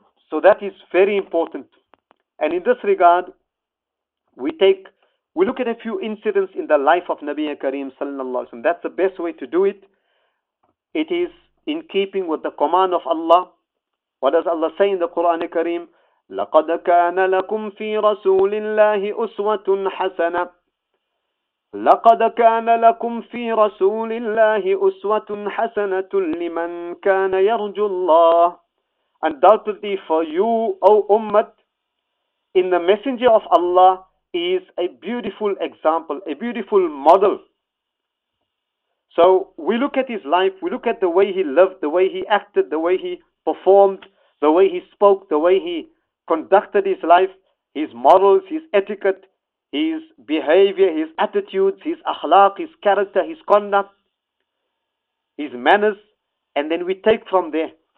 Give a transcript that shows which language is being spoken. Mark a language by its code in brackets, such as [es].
[en] So that is very important. And in this regard, we look at a few incidents in the life of Nabi Kareem sallallahu alaihi wasallam. That's the best way to do it. It is in keeping with the command of Allah. What does Allah say in the Quran Kareem? [ar] لقد كان لكم في رسول الله أسوة حسنة. لقد كان لكم في رسول الله أسوة حسنة لمن كان يرجو الله. [en] Undoubtedly for you, O Ummah, in the Messenger of Allah is a beautiful example, a beautiful model. So we look at his life, we look at the way he lived, the way he acted, the way he performed, the way he spoke, the way he conducted his life, his morals, his etiquette, his behavior, his attitudes, his akhlaq, his character, his conduct, his manners, and then we take from there.